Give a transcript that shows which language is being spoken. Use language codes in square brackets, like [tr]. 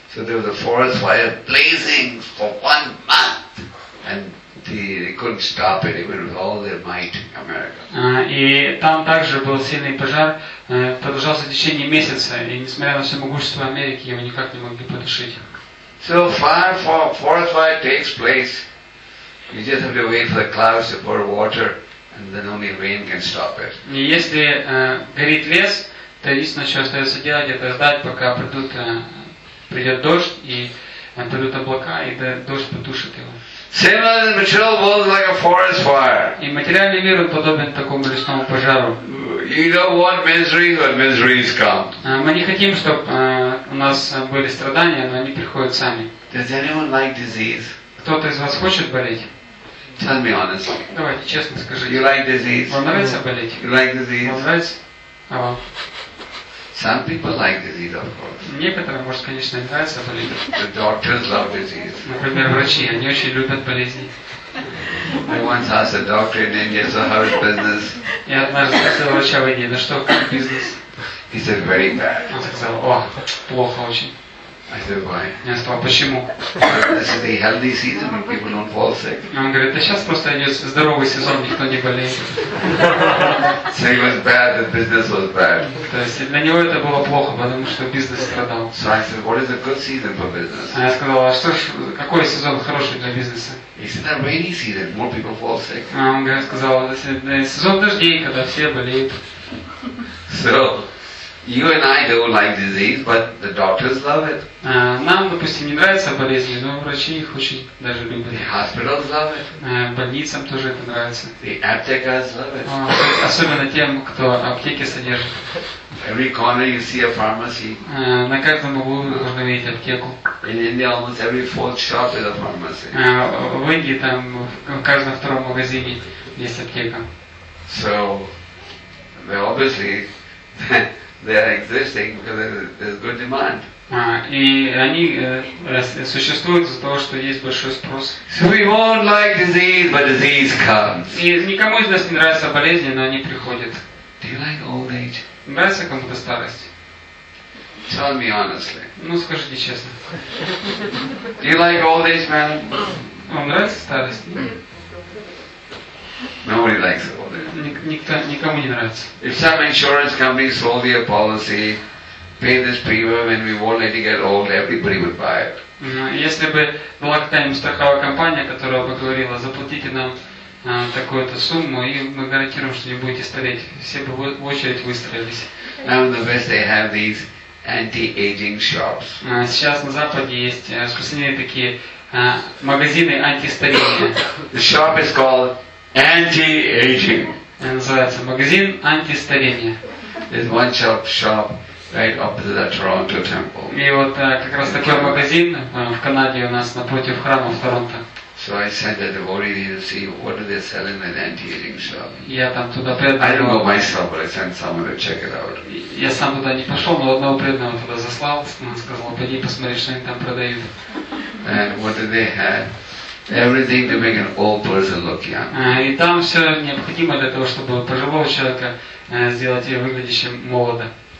[en] So there was a forest fire blazing for 1 month, and they couldn't stop it even with all their might in America. [ru] И там также был сильный пожар, продолжался в течение месяца, и несмотря на все могущество Америки, его никак не могли потушить. [en] So fire for forest fire takes place. You just have to wait for the clouds to pour water, and then only rain can stop it. [ru] И если горит лес, то единственное, что остается делать, это ждать, пока придут. Придет дождь, и придут облака, и дождь потушит его. [en] Same as the material world is like a forest fire. [ru] И материальный мир подобен такому лесному пожару. [en] You don't want misery, but miseries come. [ru] Мы не хотим, чтобы у нас были страдания, но они приходят сами. [en] Does anyone like disease? [ru] Кто-то из вас хочет болеть? [en] Tell me honestly. [ru] Давайте честно скажите. [en] You like disease? [ru] Вам нравится болеть? [en] You like disease? [ru] Вам нравится? А вам? [en] Some people like disease, of course. [ru] Некоторым, может, конечно, нравится болезнь. [en] The doctors love disease. [ru] Например, врачи, они очень любят болезни. [en] I once asked a doctor in India, so how is business? [ru] Я однажды спросил врача в Индии, ну что, как бизнес? [en] He said, very bad. [ru] Он сказал, о, плохо очень. [en] I said, why? [ru] Я сказал, почему? [en] This is a healthy season when people don't fall sick. [ru] Он говорит, да сейчас просто идет здоровый сезон, никто не болеет. [en] So it was bad, the business was bad. [ru] То есть для него это было плохо, потому что бизнес страдал. [en] So I said, what is a good season for business? [ru] А я сказал, а что ж, какой сезон хороший для бизнеса? [en] He said, a rainy season, more people fall sick. [ru] А он сказал, сезон дождей, когда все болеют. [en] So, you and I don't like disease, but the doctors love it. [ru] Нам, допустим, не нравятся болезни, но врачи их очень даже любят. [en] The hospitals love it. [ru] Больницам тоже это нравится. [en] The aptekas love it. [ru] Особенно тем, кто аптеки содержит. [en] Every corner you see a pharmacy. [ru] На каждом углу можно видеть аптеку. [en] In India, almost every fourth shop is a pharmacy. [ru] В Индии там в каждом втором магазине есть аптека. [en] So, they obviously they are existing because there's good demand. [ru] И они существуют из-за того, что есть большой спрос. [en] So we won't like disease, but disease comes. [ru] И никому из нас не нравятся болезни, но они приходят. [en] Do you like old age? [ru] Нравится кому-то старость? [en] Tell me honestly. [ru] Ну скажите честно. [en] Do you like old age, man? [ru] Вам нравится старость? [en] Nobody likes old age. [ru] Никому не нравится. [en] If some insurance company sold you a policy, pay this premium and we won't let you get old, everybody would buy it. [ru] Если бы была какая-нибудь страховая компания, которая бы говорила, заплатите нам такую-то сумму, и мы гарантируем, что не будете стареть, все бы в очередь выстроились. [en] Now in the West they have these anti-aging shops. [ru] Сейчас на Западе есть распространенные такие магазины антистарения. [en] The shop is called anti-aging. [ru] Называется магазин антистарения. [en] There's one shop. Right opposite the Toronto Temple. [ru] И вот как раз такой магазин в Канаде у нас напротив храма в Торонто. [en] So I sent a devotee to see what do they sell in an anti-aging shop. [ru] Я там туда преданного. [en] I don't go myself, but I sent someone to check it out. [ru] Я сам туда не пошел, но одного преданного туда заслал. Он сказал, пойди посмотри, что они там продают. [en] And what do they have? Everything to make an old person look young. [ru] И там все необходимо для того, чтобы пожилого человека сделать ее выглядящим молодо.